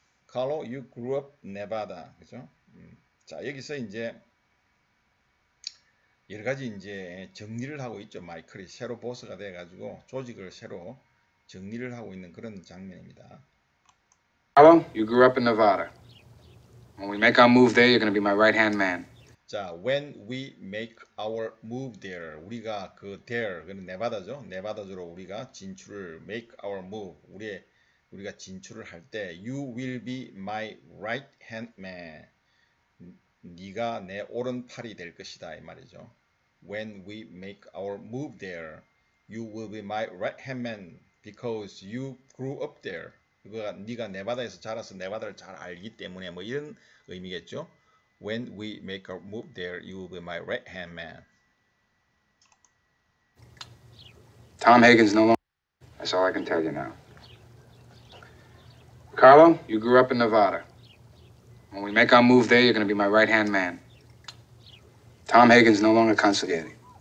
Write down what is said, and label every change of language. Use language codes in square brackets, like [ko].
[en] Carlo, you grew up Nevada. [ko] 그렇죠? 자, 여기서 이제 여러 가지 이제 정리를 하고 있죠. 마이클이 새로 보스가 돼 가지고 조직을 새로 정리를 하고 있는 그런 장면입니다. [en] Carlo, you grew up in Nevada. When we make our move there, you're going to be my right-hand man. [ko] 자, [en] when we make our move there. [ko] 우리가 그 there, 그건 네바다죠. 네바다주로 우리가 진출을 [en] make our move. [ko] 우리의 우리가 진출을 할 때 [en] you will be my right hand man. [ko] 네가 내 오른팔이 될 것이다 이 말이죠. [en] When we make our move there, you will be my right hand man because you grew up there. [ko] 그가 네가 네바다에서 자라서 네바다를 잘 알기 때문에 뭐 이런 의미겠죠. [en] When we make our move there, you will be my right hand man. Tom Hagen's no longer. That's all I can tell you now. Carlo, you grew up in Nevada. When we make our move there, you're going to be my right-hand man. Tom Hagen's no longer consigliere.